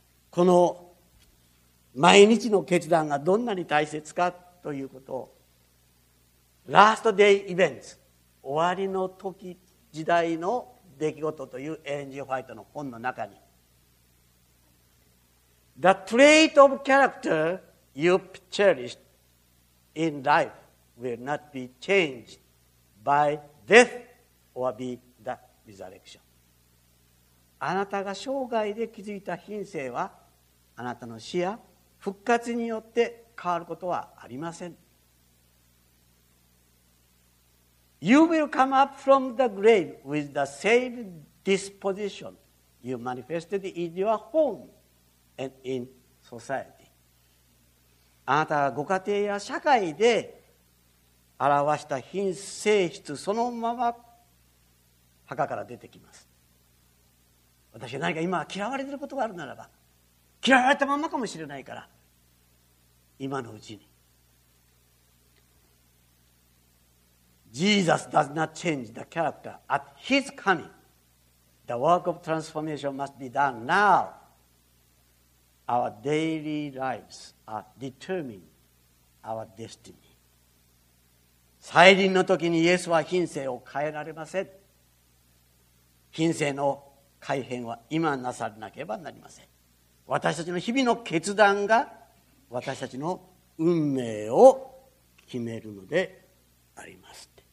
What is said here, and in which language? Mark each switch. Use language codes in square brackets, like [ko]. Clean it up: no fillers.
[ja] この毎日の決断がどんなに大切かということを、ラストデイイベント、終わりの時、時代の出来事というエレン・G・ホワイトの本の中に、 [en] The trait of character you cherished in life will not be changed by death or be the resurrection. [ja] あなたが生涯で築いた品性は、あなたの死や復活によって変わることはありません。 [en] You will come up from the grave with the same disposition you manifested in your home. And in society. [ja] あなたはご家庭や社会で表した品性質そのまま墓から出てきます。私は何か今嫌われていることがあるならば、嫌われたままかもしれないから、今のうちに。 [en] Jesus does not change the character at his coming. The work of transformation must be done now. Our daily lives are determining our destiny. [ja] 再臨の時にイエスは品性を変えられません。品性の改変は今なさらなければなりません。私たちの日々の決断が私たちの運命を決めるのであります。